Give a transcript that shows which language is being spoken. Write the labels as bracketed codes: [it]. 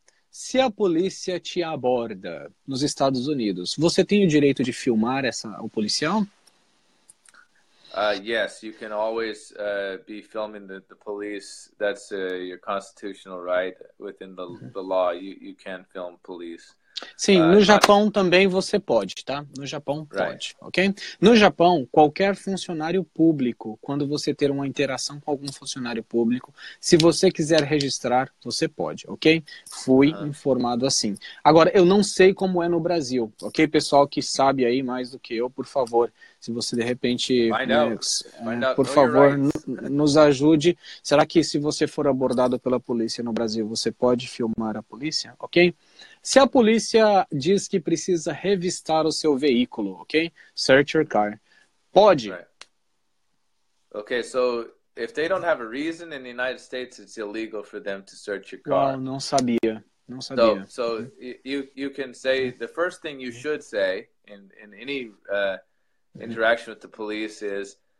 [pt] Se a polícia te aborda nos Estados Unidos, você tem o direito de filmar o policial? [en] Yes, you can always be filming the police. That's your constitutional right within the law. You can film police. [pt] Sim, no Japão também você pode, tá? No Japão pode, right. Ok? No Japão, qualquer funcionário público, quando você ter uma interação com algum funcionário público, se você quiser registrar, você pode, ok? Fui informado assim. Agora, eu não sei como é no Brasil, ok? Pessoal que sabe aí mais do que eu, por favor, se você de repente... por favor, nos ajude. Será que se você for abordado pela polícia no Brasil, você pode filmar a polícia, ok? Se a polícia diz que precisa revistar o seu veículo, ok? [en] Search your car. Pode. Right. Okay, so if they don't have a reason in the United States, it's illegal for them to search your car. [pt] Não sabia. [en] So you can say, the first thing you should say in any interaction with the police is,